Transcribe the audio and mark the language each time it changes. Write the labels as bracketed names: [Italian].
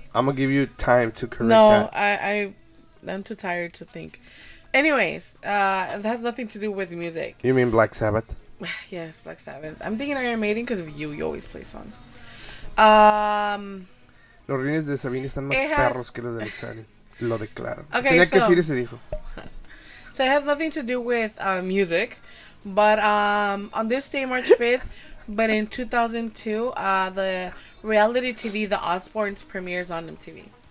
[English] I'm going to give you time to correct I'm too tired to think. Anyways, that has nothing to do with music. You mean Black Sabbath? Yes, Black Sabbath. I'm thinking Iron Maiden because of you. You always play songs. [Spanish] Los rines de Sabine están más perros que los de Alexani. Lo declaro. [English] Okay, [Spanish] tenía que decir y se dijo. [English] So it has nothing to do with music, but on this day, March 5th, but in 2002, the reality TV, The Osbournes, premieres on MTV.